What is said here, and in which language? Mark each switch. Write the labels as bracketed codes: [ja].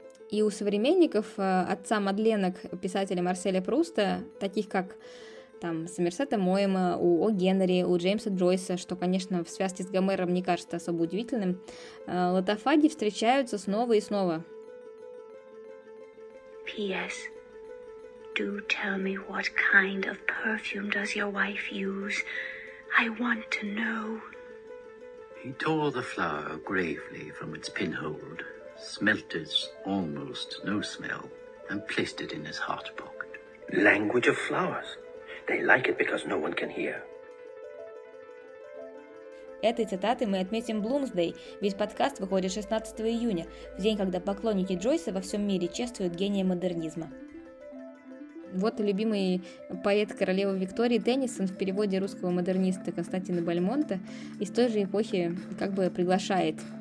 [ru] И у современников отца Мадленок, писателя Марселя Пруста, таких как там Сомерсета Моэма, у О. Генри, у Джеймса Джойса, что, конечно, в связке с Гомером не кажется особо удивительным, лотофаги встречаются снова и снова. [en] P.S. Do tell me what kind of perfume does your wife use. I want to know. He tore the flower gravely from its pinhold. Smelt its almost no smell, and placed it in his heart pocket. Language of flowers. They like it because no one can hear. [ru] Этой цитатой мы отметим Bloomsday, ведь подкаст выходит 16 июня, в день, когда поклонники Джойса во всем мире чествуют гения модернизма. Вот любимый поэт королевы Виктории Теннисон в переводе русского модерниста Константина Бальмонта из той же эпохи как бы приглашает.